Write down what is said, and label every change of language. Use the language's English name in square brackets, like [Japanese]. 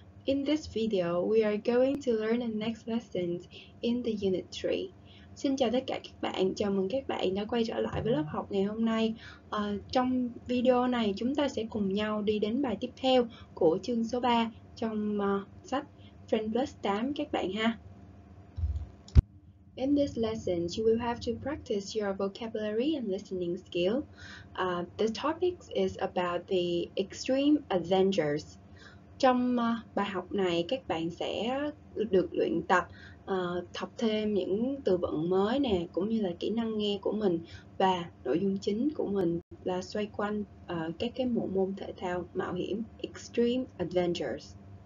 [English] In this video, we are going to learn the next lessons in the unit 3. [Vietnamese] Xin chào tất cả các bạn, chào mừng các bạn đã quay trở lại với lớp học ngày hôm nay. Trong video này, chúng ta sẽ cùng nhau đi đến bài tiếp theo của chương số 3 trong sách Friend Plus 8 các bạn ha. [English] In this lesson, you will have to practice your vocabulary and listening skill. The topic is about the Extreme Avengers. [Vietnamese] Trong bài học này, các bạn sẽ được luyện tập, học thêm những từ vựng mới nè, cũng như là kỹ năng nghe của mình. Và nội dung chính của mình là xoay quanh các cái bộ môn thể thao mạo hiểm Extreme Avengers.